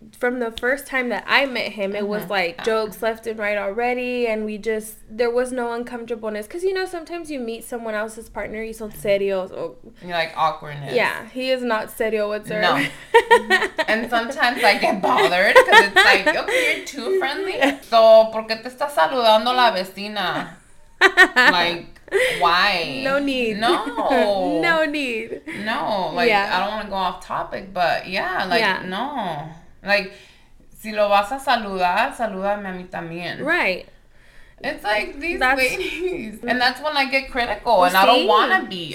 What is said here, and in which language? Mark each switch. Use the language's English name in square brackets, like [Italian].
[English] From the first time that I met him, it was, like, jokes left and right already, and we just, there was no uncomfortableness. Because, you know, sometimes you meet someone else's partner, you sound serio. You're, like, awkwardness. Yeah, he is not serio whatsoever. No. And sometimes I get bothered, because it's like, okay, you're too friendly. [Spanish] So, ¿por qué te está saludando la vecina? [English] Like, why? No need. Like, yeah. I don't want to go off topic, but yeah, like, yeah. No. [Spanish] Like, si lo vas a saludar, salúdame a mí también. [English] Right. It's like ladies. And that's when I get critical, and see, I don't want to be.